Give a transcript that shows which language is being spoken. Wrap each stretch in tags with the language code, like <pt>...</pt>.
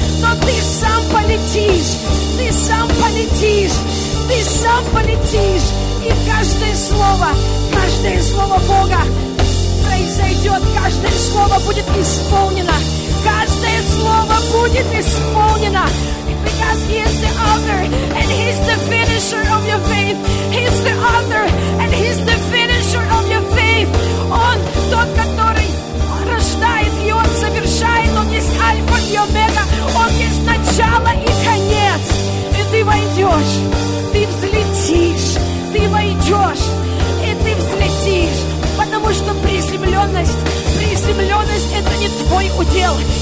<ru>Но ты сам полетишь. Ты сам полетишь. Ты сам полетишь. И каждое слово Бога произойдет. Каждое слово будет исполнено. Каждое слово будет исполнено.</ru> <en>Because he is the author and he's the finisher of your faith. He's the author and he's the finisher of your faith.</en> <ru>Он тот, который рождает, и он совершает. Он есть альфа и омега. Он есть начало и конец. И ты войдешь, ты взлетишь. Ты войдешь и ты взлетишь. Потому что приземленность это не твой удел.</ru>